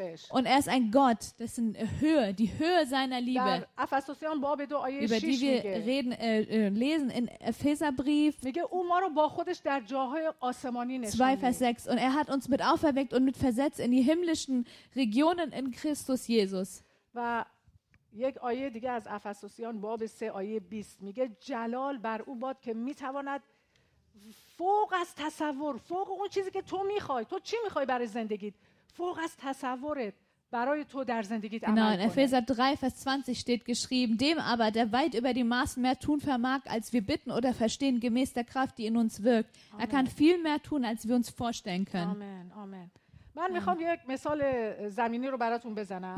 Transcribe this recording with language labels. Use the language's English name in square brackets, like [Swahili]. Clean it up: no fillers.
[German] Und er ist ein Gott, dessen Höhe, die Höhe seiner Liebe, über die wir reden, lesen in Epheserbrief 2, Vers 6. Und er hat uns mit auferweckt und mit versetzt in die himmlischen Regionen in Christus Jesus. [Persian] و یک آیه دیگه از افسوسیان باب 3 آیه 20 میگه جلال بر او باد که میتواند فوق از تصور، فوق اون چیزی که تو میخوای، تو چی میخوای برای زندگیت، فوق از تصورت برای تو در زندگیت عمل کنه. [German] In Epheser 3 Vers 20 steht geschrieben: Dem aber, der weit über die Maßen mehr tun vermag, als wir bitten oder verstehen, gemäß der Kraft, die in uns wirkt. Er kann viel mehr tun, als wir uns vorstellen können. Amen. Amen. [Persian] من میخوام یک مثال زمینی رو براتون بزنم.